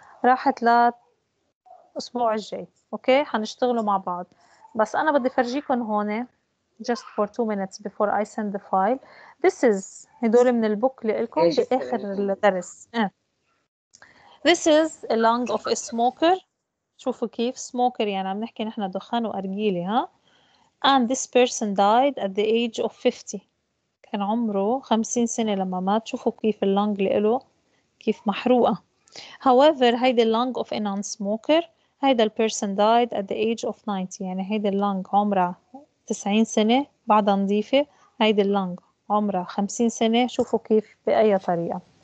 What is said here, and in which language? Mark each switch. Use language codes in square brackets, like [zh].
[ar] راحت لأسبوع الجاي. اوكي هنشتغلوا مع بعض، بس انا بدي فرجيكم هون [en] just for 2 minutes before I send the file. This is [ar] هدول من البوك لكم باخر الدرس. [en] This is a lung of a smoker. [ar] شوفوا كيف smoker، يعني عم نحكي نحن دخان وارجيله. [en] ها and this person died at the age of 50. [ar] كان عمره 50 سنه لما مات. شوفوا كيف اللنج له كيف محروقه. [en] However [ar] هيدي [en] lung of a non-smoker. [ar] هيدا [en] person died at the age of 90. [ar] يعني هيدا اللنج عمره 90 سنة بعدها نظيفة. هيدا اللنج عمره 50 سنة. شوفوا كيف بأي طريقة.